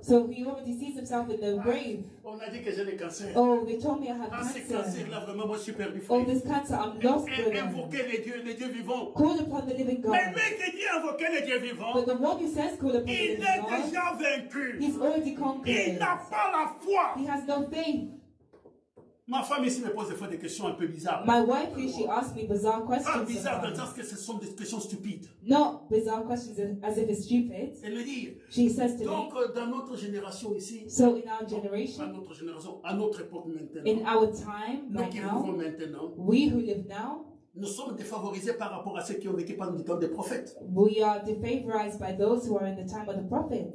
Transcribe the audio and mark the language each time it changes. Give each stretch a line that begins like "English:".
English: So he already sees himself in the grave.
French: On a dit que j'ai le cancer.
English: Oh, they told me I have cancer.
French: Ah, ce cancer-là, vraiment, moi, je suis perdu.
English: Oh, this cancer, I'm lost.
French: Invoquez les dieux vivants.
English: Call upon the living God.
French: Mais lui qui dit invoquez les dieux vivants.
English: But the one who says call upon
French: il
English: the living God.
French: Il est déjà vaincu.
English: He's already conquered.
French: Il n'a pas la foi.
English: He has no faith.
French: Ma femme ici me pose des fois des questions un peu bizarres.
English: My wife here, she asks me bizarre questions.
French: Ah, bizarre, dans le sens que ce sont des questions stupides.
English: Not bizarre questions, as if it's stupid.
French: Elle me dit.
English: She says to
French: donc,
English: me.
French: Donc, dans notre génération ici.
English: So in our generation.
French: À notre génération, à notre époque maintenant.
English: In our time,
French: nous
English: right
French: qui
English: now,
French: vivons maintenant.
English: We who live now.
French: Nous sommes défavorisés par rapport à ceux qui ont vécu pendant le temps des prophètes.
English: We are defavorized by those who are in the time of the prophets.